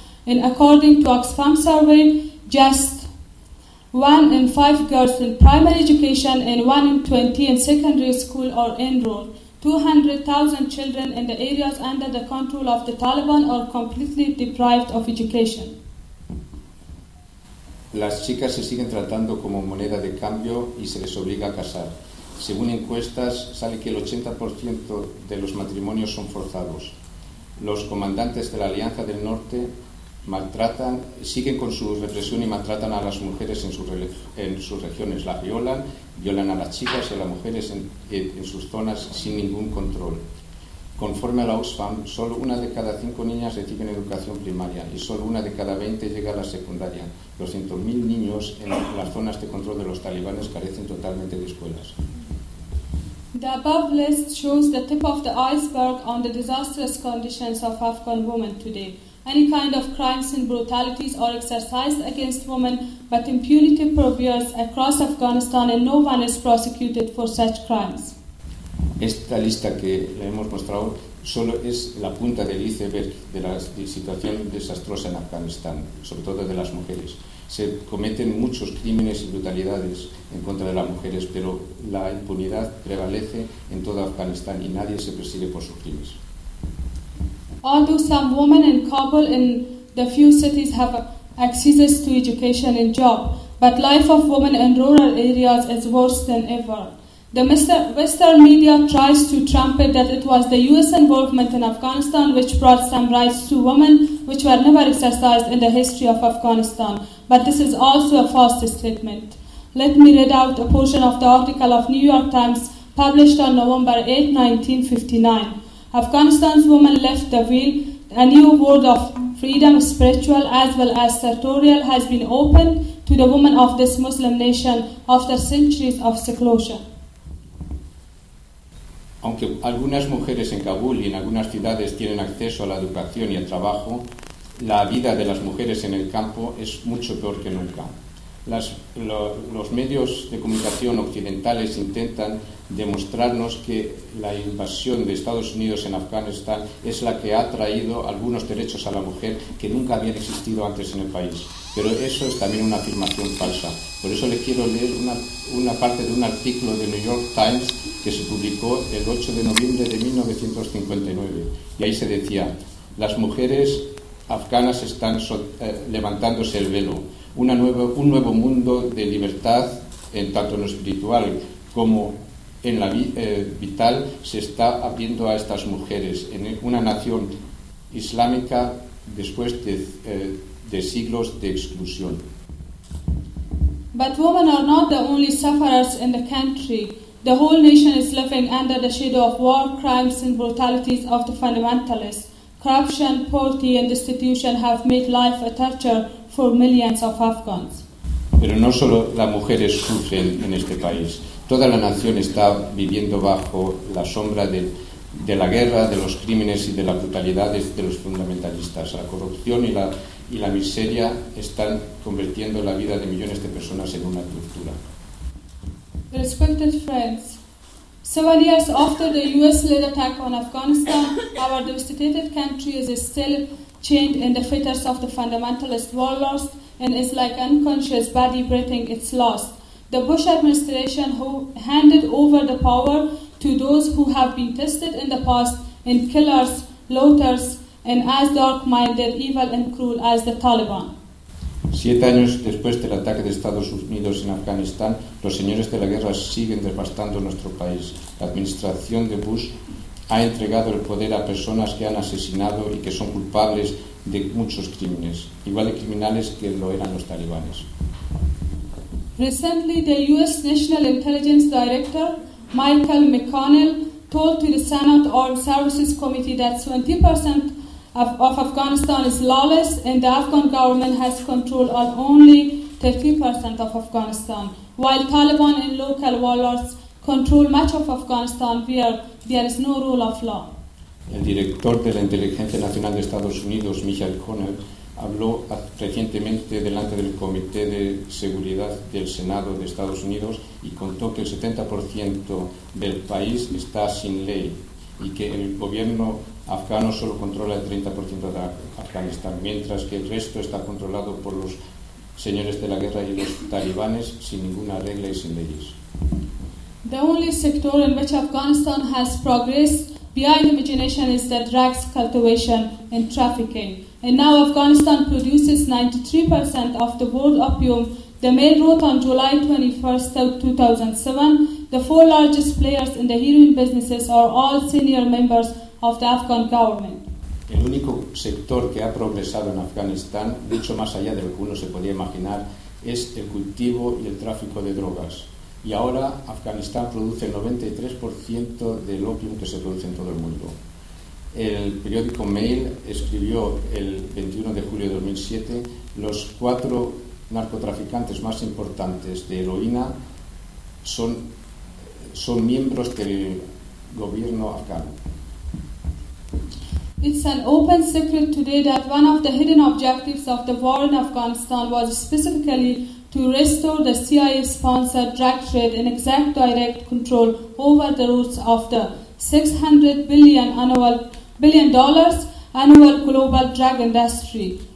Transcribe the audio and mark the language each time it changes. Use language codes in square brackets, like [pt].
[en] And according to Oxfam survey, just 1 in 5 girls in primary education and 1 in 20 in secondary school are enrolled. 200,000 children in the areas under the control of the Taliban are completely deprived of education. [es] Las chicas se siguen tratando como moneda de cambio y se les obliga a casar. Según encuestas, sale que el 80% de los matrimonios son forzados. Los comandantes de la Alianza del Norte maltratan, siguen con su represión y maltratan a las mujeres en sus regiones. Las violan, violan a las chicas y a las mujeres en sus zonas sin ningún control. Conforme a la Oxfam, solo una de cada 5 niñas reciben educación primaria y solo una de cada 20 llega a la secundaria. 200.000 niños en las zonas de control de los talibanes carecen totalmente de escuelas. [en] The above list shows the tip of the iceberg on the disastrous conditions of Afghan women today. Any kind of crimes and brutalities are exercised against women, but impunity prevails across Afghanistan and no one is prosecuted for such crimes. [es] Esta lista que le hemos mostrado solo es la punta del iceberg de la situación desastrosa en Afganistán, sobre todo de las mujeres. Se cometen muchos crímenes y brutalidades en contra de las mujeres, pero la impunidad prevalece en todo Afganistán y nadie se persigue por sus crímenes. [en] Although some women in Kabul in the few cities have access to education and job, but life of women in rural areas is worse than ever. The Western media tries to trumpet that it was the U.S. involvement in Afghanistan which brought some rights to women which were never exercised in the history of Afghanistan. But this is also a false statement. Let me read out a portion of the article of New York Times published on November 8, 1959. Afghanistan's women left the wheel. A new world of freedom, spiritual as well as territorial, has been opened to the women of this Muslim nation after centuries of seclusion. [es] Aunque algunas mujeres en Kabul y en algunas ciudades tienen acceso a la educación y al trabajo, la vida de las mujeres en el campo es mucho peor que nunca. Los medios de comunicación occidentales intentan demostrarnos que la invasión de Estados Unidos en Afganistán es la que ha traído algunos derechos a la mujer que nunca habían existido antes en el país. Pero eso es también una afirmación falsa. Por eso le quiero leer una parte de un artículo de New York Times que se publicó el 8 de noviembre de 1959. Y ahí se decía, las mujeres afganas están levantándose el velo. Un nuevo mundo de libertad, tanto en lo espiritual como en la vital, se está abriendo a estas mujeres en una nación islámica después de siglos de exclusión. [en] But women are not the only sufferers in the country. The whole nation is living under the shadow of war, crimes and brutalities of the fundamentalists. Corruption, poverty and destitution have made life a torture for millions of Afghans. [es] Pero no solo las mujeres sufren en este país. Toda la nación está viviendo bajo la sombra de la guerra, de los crímenes y de las brutalidades de los fundamentalistas. La corrupción y la miseria están convirtiendo la vida de millones de personas en una tortura. [en] Respected friends, several years after the US-led attack on Afghanistan, our devastated country is still chained in the fetters of the fundamentalist warlords and is like unconscious body breathing its loss. The Bush administration who handed over the power to those who have been tested in the past in killers, looters, and as dark-minded, evil and cruel as the Taliban. [es] 7 años después del ataque de Estados Unidos en Afganistán, los señores de la guerra siguen devastando nuestro país. La administración de Bush ha entregado el poder a personas que han asesinado y que son culpables de muchos crímenes, igual de criminales que lo eran los talibanes. [en] Recently, the U.S. National Intelligence Director, Michael McConnell, told to the Senate Armed Services Committee that 20% of Afghanistan is lawless and the Afghan government has control of only 30% of Afghanistan, while Taliban and local warlords control much of Afghanistan where there is no rule of law. [es] El director de la Inteligencia Nacional de Estados Unidos, Michael McConnell, habló recientemente delante del Comité de Seguridad del Senado de Estados Unidos y contó que el 70% del país está sin ley y que el gobierno afgano solo controla el 30% de Afganistán, mientras que el resto está controlado por los señores de la guerra y los talibanes sin ninguna regla y sin leyes. [en] The only sector in which Afghanistan has progressed beyond imagination is the drugs cultivation and trafficking. And now Afghanistan produces 93% of the world opium. The main route on July 21st, 2007, the four largest players in the heroin businesses are all senior members of the Afghan government. [es] El único sector que ha progresado en Afganistán, mucho más allá de lo que uno se podía imaginar, es el cultivo y el tráfico de drogas. Y ahora Afganistán produce el 93% del opium que se produce en todo el mundo. El periódico Mail escribió el 21 de julio de 2007 los cuatro narcotraficantes más importantes de heroína son miembros del gobierno afgano. [en] It's an open secret today that one of the hidden objectives of the war in Afghanistan was specifically to restore the CIA-sponsored drug trade in exact direct control over the routes of the $600 billion annual global drug industry.